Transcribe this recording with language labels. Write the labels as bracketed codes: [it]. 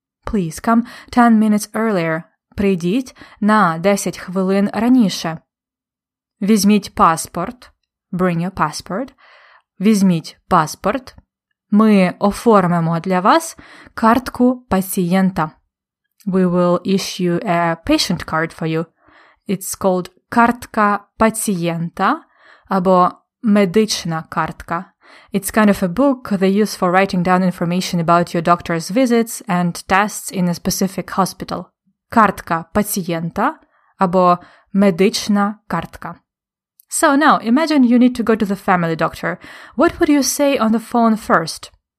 [en] Please come 10 minutes earlier. [uk] Прийдіть на 10 хвилин раніше. Візьміть паспорт. [en] Bring your passport. [uk] Візьміть паспорт. Ми оформимо для вас картку пацієнта. [en] We will issue a patient card for you. It's called [uk] картка пацієнта або медична картка. [en] It's kind of a book they use for writing down information about your doctor's visits and tests in a specific hospital. [uk] Картка пацієнта або медична картка. [en] So now, imagine you need to go to the family doctor. What would you say on the phone first?